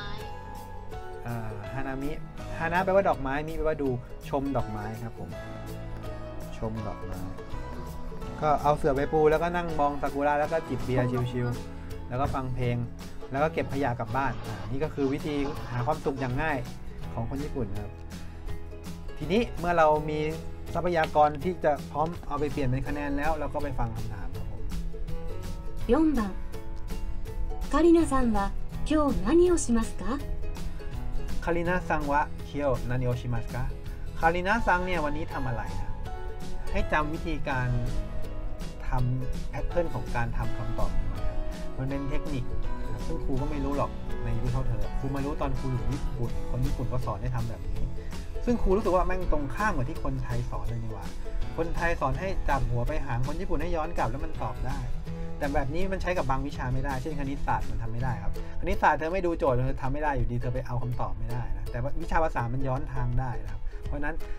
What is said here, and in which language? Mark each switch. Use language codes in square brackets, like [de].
[th] ฮานามิฮานะแปลว่าดอกไม้มิแปลว่าดูชมดอกไม้ครับผมชมดอกไม้ก็เอาเสื่อไปปูแล้วก็นั่งมองซากุระแล้วก็จิบเบียร์ชิวๆแล้วก็ฟังเพลงแล้วก็เก็บขยะกลับบ้านนี่ก็คือวิธีหาความสุขอย่างง่ายของคนญี่ปุ่นครับทีนี้เมื่อเรามีทรัพยากรที่จะพร้อมเอาไปเปลี่ยนเป็นคะแนนแล้วเราก็ไปฟังคำถาม [ja] 4番カリナさんは今日何をしますか？カリナさんは今日何をしますか？ [th] カリナさんเนี่ยวันนี้ทำอะไรนะให้จำวิธีการทำแพทเทิร์นของการทำคำตอบมันเป็นเทคนิคซึ่งครูก็ไม่รู้หรอกในยุคเท่าเธอครูมารู้ตอนครูอยู่ญี่ปุ่นคนญี่ปุ่นก็สอนให้ทำแบบนี้ ซึ่งครูรู้สึกว่าแม่งตรงข้ามกับที่คนไทยสอนเลยนี่หว่าคนไทยสอนให้จับหัวไปหางคนญี่ปุ่นให้ย้อนกลับแล้วมันตอบได้แต่แบบนี้มันใช้กับบางวิชาไม่ได้เช่นคณิตศาสตร์มันทำไม่ได้ครับคณิตศาสตร์เธอไม่ดูโจทย์เธอทำไม่ได้อยู่ดีเธอไปเอาคำตอบไม่ได้นะแต่วิชาภาษามันย้อนทางได้นะเพราะนั้น